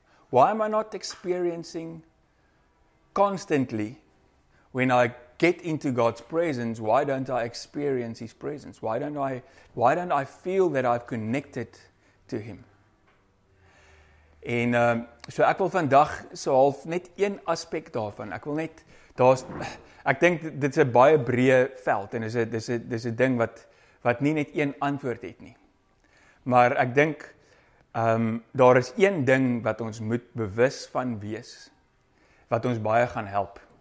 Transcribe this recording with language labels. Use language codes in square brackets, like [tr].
[en] Why am I not experiencing constantly when I get into God's presence, why don't I experience His presence? Why don't I feel that I've connected to Him? [af] En so ek wil vandag so half net een aspek daarvan. Ek wil net daar's ek dink dit is 'n baie breë veld en dis 'n ding wat nie net een antwoord het nie. Maar ek dink daar is een ding wat ons moet bewus van wees wat ons baie gaan help.